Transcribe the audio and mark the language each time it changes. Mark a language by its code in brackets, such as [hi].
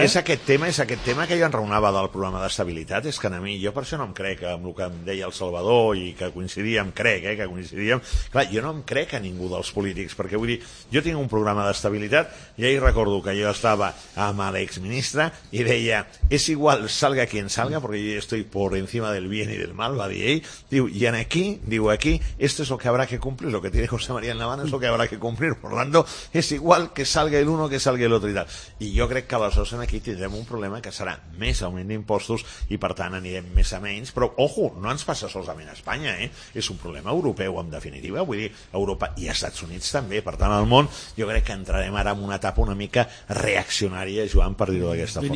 [ca] és aquest tema que jo enraonava del programa d'estabilitat, és que a mi, jo per això no em crec amb el que em deia el Salvador i que coincidíem, crec, que coincidíem. Clar, jo no em crec a ningú dels polítics, perquè vull dir, jo tinc un programa d'estabilitat i ahir recordo que jo estava amb l'exministre i deia, és igual, [es] salga quien salga, [ca] perquè jo [es] estoy por encima del bien y del mal, [ca] va dir ell. Diu, i aquí, diu, aquí, [es] esto es lo que habrá que cumplir, lo que tiene José María en la mano es lo que habrá que cumplir, por tanto, es igual que salga el uno que salga el otro y tal. [ca] I jo crec que aleshores aquí tindrem un problema que serà més augment d'impostos i per tant anirem més a menys, però ojo, no ens passa solament a Espanya, és un problema europeu en definitiva, vull dir, Europa i Estats Units també, per tant al món jo crec que entrarem ara en una etapa una mica reaccionària, Joan, per dir-ho d'aquesta forma.